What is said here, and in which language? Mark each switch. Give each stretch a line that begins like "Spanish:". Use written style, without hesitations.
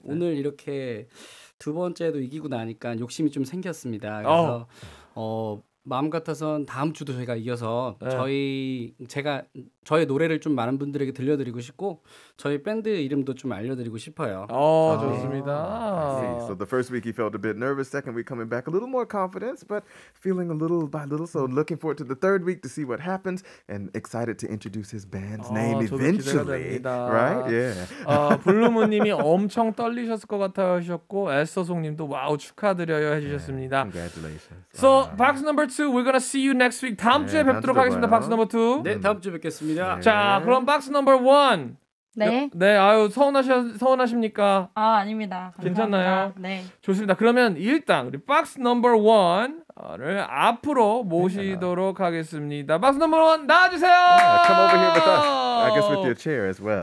Korean: 오늘 이렇게 두 번째도 이기고 나니까 욕심이 좀 생겼습니다. 그래서 마음 같아서는 다음 주도 저희가 이어서 네. 저희 제가 저의 노래를 좀 많은 분들에게 들려드리고 싶고 저희 밴드 이름도 좀 알려드리고 싶어요. 어, 좋습니다.
English: So the first week he felt a bit nervous. Second week coming back a little more confidence, but feeling a little by little. So looking forward to the third week to see what happens and excited to introduce his band's name eventually.
Korean: 저도 기대가 됩니다.
English: Right? Yeah.
Korean: 아, 블루무님이 엄청 떨리셨을 것 같아 하셨고 에서송님도 와우 축하드려요 해주셨습니다.
English: Yeah, congratulations. So box number two, we're gonna see you next week.
Korean: 다음 주에 뵙도록 하겠습니다. 봐요.
English: Box number two.
Korean: 네, 다음 주 뵙겠습니다. 네. 자 그럼 박스 넘버 원 네 네 아유 서운하십니까 아 아닙니다 감사합니다. 괜찮나요 네 좋습니다 그러면 일단 우리 박스 넘버 원을 앞으로 모시도록 네, 하겠습니다 박스 넘버 원 나와주세요
English: yeah, come over here with us I guess with your chair as well